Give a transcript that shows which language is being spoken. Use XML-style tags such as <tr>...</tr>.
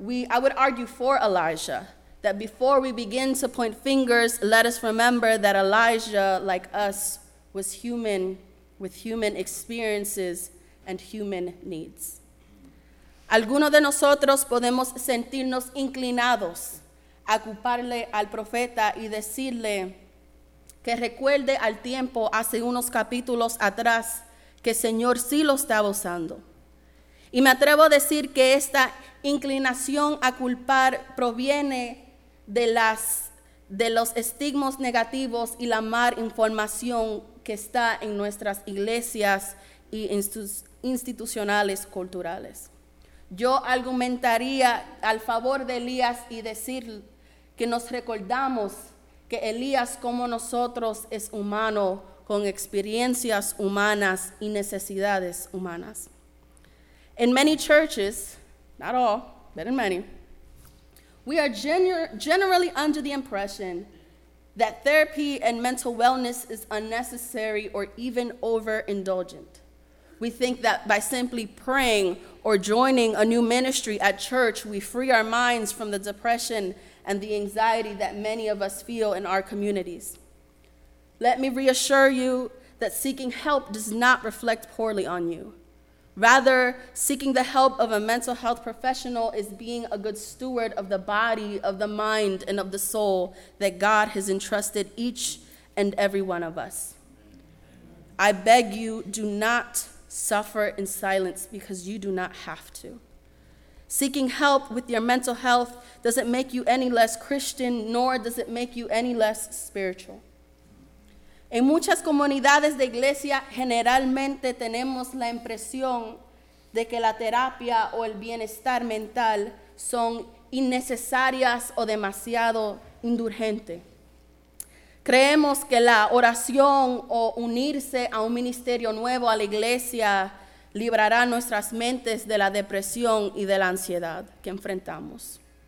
<en>I would argue for Elijah, that before we begin to point fingers, let us remember that Elijah, like us, was human with human experiences and human needs.</en> <es>Algunos de nosotros podemos sentirnos inclinados a culparle al profeta y decirle que recuerde al tiempo hace unos capítulos atrás que el Señor sí lo estaba usando. Y me atrevo a decir que esta inclinación a culpar proviene de los estigmas negativos y la mal información que está en nuestras iglesias y institucionales culturales. Yo argumentaría al favor de Elías y decir que nos recordamos que Elías, como nosotros, es humano con experiencias humanas y necesidades humanas.</es> <en>In many churches, not all, but in many, we are generally under the impression that therapy and mental wellness is unnecessary or even overindulgent. We think that by simply praying or joining a new ministry at church, we free our minds from the depression and the anxiety that many of us feel in our communities. Let me reassure you that seeking help does not reflect poorly on you. Rather, seeking the help of a mental health professional is being a good steward of the body, of the mind, and of the soul that God has entrusted each and every one of us. I beg you, do not suffer in silence because you do not have to. Seeking help with your mental health doesn't make you any less Christian, nor does it make you any less spiritual.</en> <es>En muchas comunidades de iglesia, generalmente tenemos la impresión de que la terapia o el bienestar mental son innecesarias o demasiado indulgentes. Creemos que la oración o unirse a un ministerio nuevo a la iglesia librará nuestras mentes de la depresión y de la ansiedad que enfrentamos.</es>